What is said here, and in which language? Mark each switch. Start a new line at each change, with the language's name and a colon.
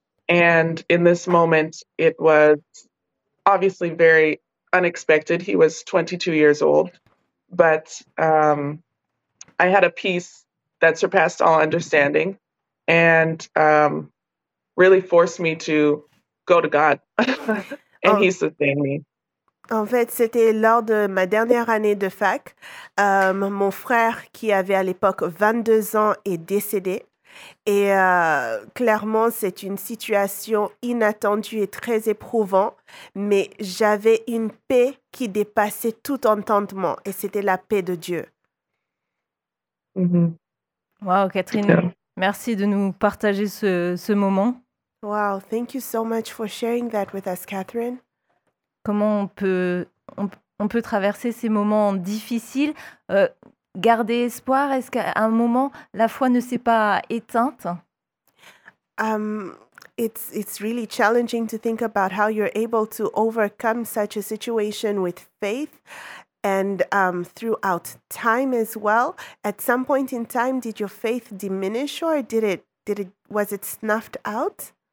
English: And in this moment, it was obviously very unexpected. He was 22 years old, but I had a peace that surpassed all understanding and really forced me to go to God. And he sustained me.
French: En fait, c'était lors de ma dernière année de fac. Mon frère, qui avait à l'époque 22 ans, est décédé. Et clairement, c'est une situation inattendue et très éprouvante, mais j'avais une paix qui dépassait tout entendement, et c'était la paix de Dieu. Mm-hmm. Wow, Catherine, merci de nous partager ce moment.
English: Wow, thank you so much for sharing that with us, Catherine.
French: Comment on peut traverser ces moments difficiles garder espoir? Est-ce qu'à un moment la foi ne s'est pas éteinte?
English: It's really challenging to think about how you're able to overcome such a situation with faith and throughout time as well. At some point in time, did your faith diminish or did it was it snuffed out?